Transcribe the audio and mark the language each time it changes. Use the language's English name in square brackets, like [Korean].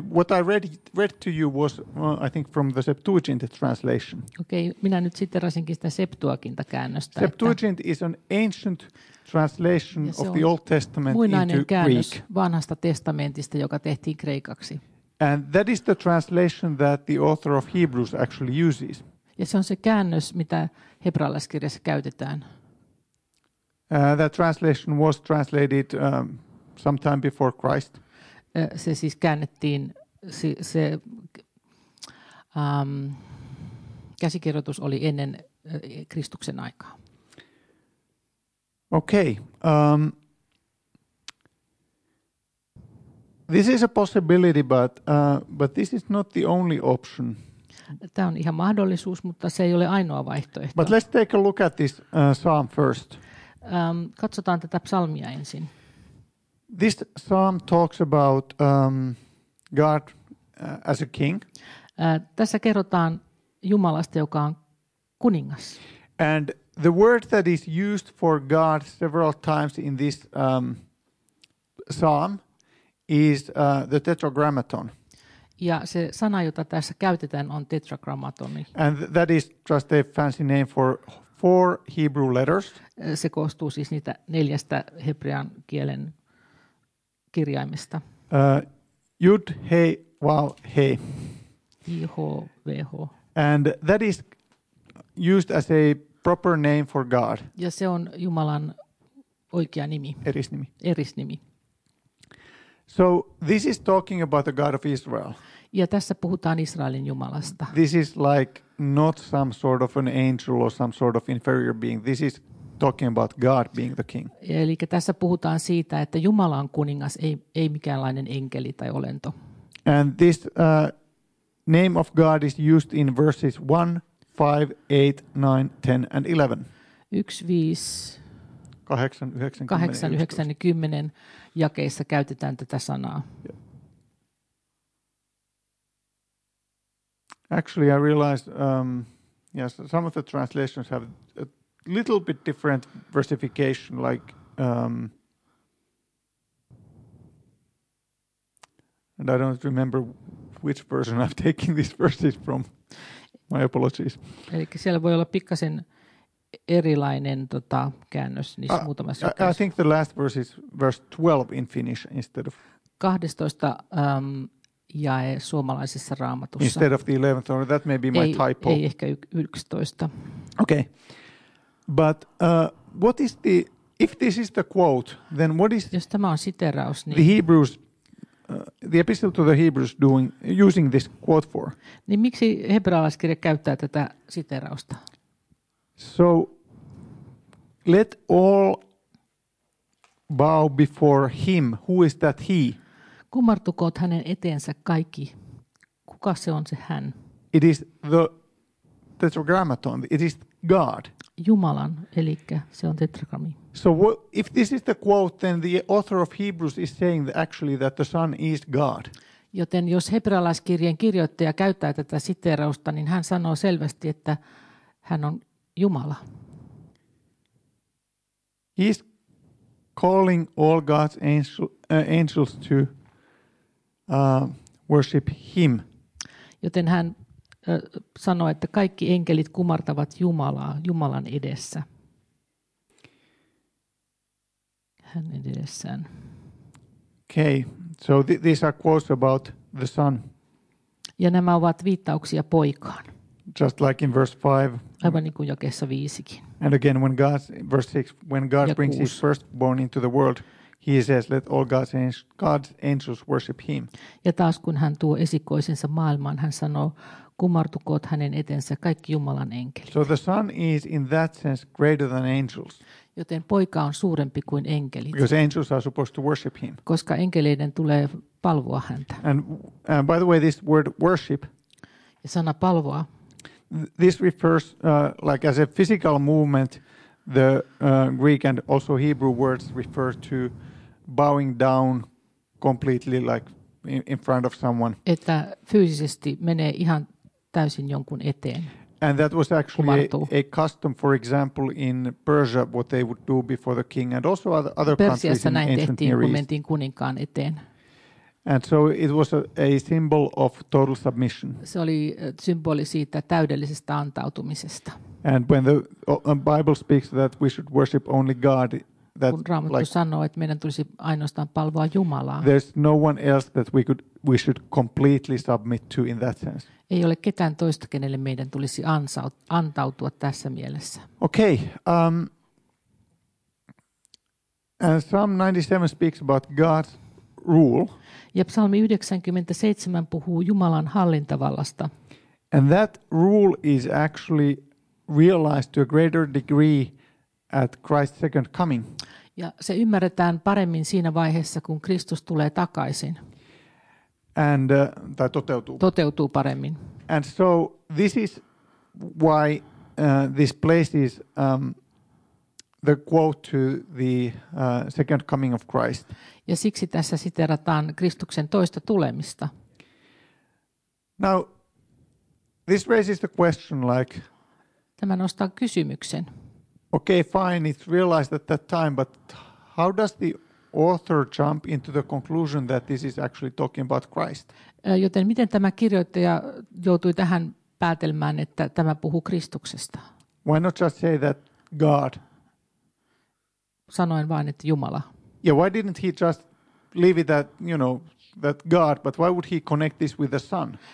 [English] What I read to you was I think from the Septuagint translation. [Finnish] Okay, minä nyt siteerasinkin sitä Septuaginta käännöstä. [English] Septuagint is an ancient translation of the Old Testament into Greek. [Finnish] Käännös vanhasta testamentista, joka tehtiin kreikaksi. [English] And that is the translation that the author of Hebrews actually uses. [Finnish] Ja se on se käännös, mitä hebrealaiskirjassa käytetään. [English] That translation was translated sometime before Christ. [Finnish] Se siis käännettiin, se käsikirjoitus oli ennen Kristuksen aikaa. [English] Okay. This is a possibility, but this is not the only option. [Finnish] Tämä on ihan mahdollisuus, mutta se ei ole ainoa vaihtoehto. [English] But let's take a look at this psalm first. [Finnish] Katsotaan tätä psalmia ensin. [English] This psalm talks about God as a king. [Finnish] Tässä kerrotaan Jumalasta, joka on kuningas. [English] And the word that is used for God several times in this psalm is the tetragrammaton. [Finnish] Ja se sana, jota tässä käytetään, on tetragrammatoni. [English] And that is just a fancy name for four Hebrew letters. [Finnish] Se koostuu siis niitä neljästä hebrean kielen kirjaimista. [Hebrew] Yud, He, Vav, He. [Finnish] J-H-V-H. [English] And that is used as a proper name for God. [Finnish] Ja se on Jumalan oikea nimi. Erisnimi. Erisnimi. [English] So this is talking about the God of Israel. [Finnish] Ja tässä puhutaan Israelin Jumalasta. [English] This is like not some sort of an angel or some sort of inferior being. This is talking about God being the king. [Finnish] Eli tässä puhutaan siitä, että Jumala on kuningas, ei mikäänlainen enkeli tai olento. [English] And this name of God is used in verses 1, 5, 8, 9, 10 and 11. [Finnish] 1, 5, 8, 9, 10 jakeissa käytetään tätä sanaa. [English] Actually, I realized yes, some of the translations have a little bit different versification, like and I don't remember which version I've taken these verses from. My apologies. [Finnish] Eli siellä voi olla pikkasen erilainen tota käännös niissä muutamassa jakeissa. [English] I think the last verse is verse 12 in Finnish instead of [Finnish] 12 jae suomalaisessa raamatussa. [English] Instead of the 11th, or that may be my typo. [Finnish] Ei ehkä 11. [English] Okay. But what is the, if this is the quote, then what is, [Finnish] jos tämä on siteraus, niin [English] the Hebrews, the epistle to the Hebrews doing, using this quote for? [Finnish] Niin miksi hebrealaiskirja käyttää tätä siterausta? [English] So, let all bow before him. Who is that he? [Finnish] Kumartukoot hänen eteensä kaikki. Kuka se on se hän? [English] It is the tetragrammaton. It is God. [Finnish] Jumalan, eli se on tetragrammi. [English] So if this is the quote, then the author of Hebrews is saying that actually that the Son is God. [Finnish] Joten jos hebrealaiskirjeen kirjoittaja käyttää tätä siteerausta, niin hän sanoo selvästi, että hän on Jumala. [English] He's calling all God's angels to worship him. [Finnish] Joten hän sanoi, että kaikki enkelit kumartavat Jumalaa, Jumalan edessä. Hänen edessään. [English] Okay, so these are quotes about the Son. [Finnish] Ja nämä ovat viittauksia poikaan. [English] Just like in verse 5. [Finnish] Aivan niin kuin jakeessa 5:kin. [English] And again, when God, verse 6, when God brings his firstborn into the world, he says, let all God's angels worship him. [Finnish] Ja taas kun hän tuo esikoisensa maailmaan, hän sanoo, kumartukoot hänen eteensä kaikki Jumalan enkelit. [English] So the Son is in that sense greater than angels. [Finnish] Joten poika on suurempi kuin enkelit. [English] Because angels are supposed to worship him. [Finnish] Koska enkeleiden tulee palvoa häntä. [English] And by the way, this word worship. [Finnish] Ja sana palvoa. [English] This refers like as a physical movement. The Greek and also Hebrew words refer to bowing down completely, like in front of someone. [Finnish] Että fyysisesti menee ihan täysin jonkun eteen. [English] And that was actually a custom, for example, in Persia, what they would do before the king, and also other countries in ancient Near East. [Finnish] Persiassa näin tehtiin, kun mentiin kuninkaan eteen. [English] And so it was a symbol of total submission. [Finnish] Se oli symboli siitä täydellisestä antautumisesta. [English] And when the Bible speaks that we should worship only God, that [Finnish] kun Raamattu like, sanoo, että meidän tulisi ainoastaan palvoa Jumalaa. [English] There's no one else that we should completely submit to in that sense. [Finnish] Ei ole ketään toista, kenelle meidän tulisi antautua tässä mielessä. [English] Okay. And Psalm 97 speaks about God's rule. [Finnish] Ja psalmi 97 puhuu Jumalan hallintavallasta. [English] And that rule is actually realized to a greater degree at Christ's second coming. [Finnish] Ja se ymmärretään paremmin siinä vaiheessa, kun Kristus tulee takaisin. And tai toteutuu paremmin. [English] And so this is why this place is the quote to the second coming of Christ. [Finnish] Ja siksi tässä siteerataan Kristuksen toista tulemista. [English] Now this raises the question like, [Finnish] tämä nostaa kysymyksen. [English] Okay, fine, it's realized at that time, but how does the author jump into the conclusion that this is actually talking about Christ? [Finnish] Joten miten tämä kirjoittaja joutui tähän päätelmään, että tämä puhuu Kristuksesta? [English] Why not just say that God? [Finnish] Sanoin vain, että Jumala. [English] Yeah, why didn't he just leave it that, you know, that God, but why would he connect this with the Son?